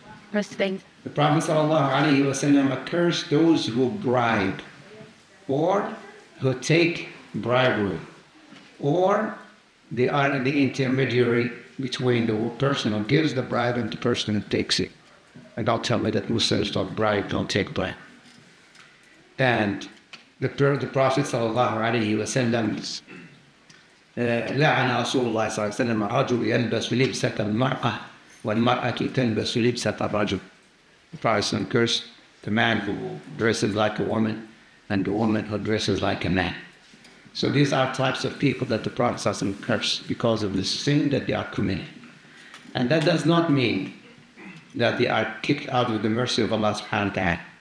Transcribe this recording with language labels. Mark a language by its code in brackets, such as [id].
[en] The Prophet sallallahu alaihi wasallam cursed those who bribe, or who take bribery, or they are the intermediary between the person who gives the bribe and the person who takes it. And don't tell me that Muslims don't bribe, don't take bribe. And the Prophet sallallahu alaihi wasallam [ar] لعن رسول الله صلى الله عليه وسلم رجل يلبس لبسة المرأة والمرأة تلبس لبسة الرجل. [en] The Prophet cursed the man who dresses like a woman and the woman who dresses like a man. So these are types of people that the Prophet cursed because of the sin that they are committing. And that does not mean that they are kicked out of the mercy of Allah subhanahu wa ta'ala.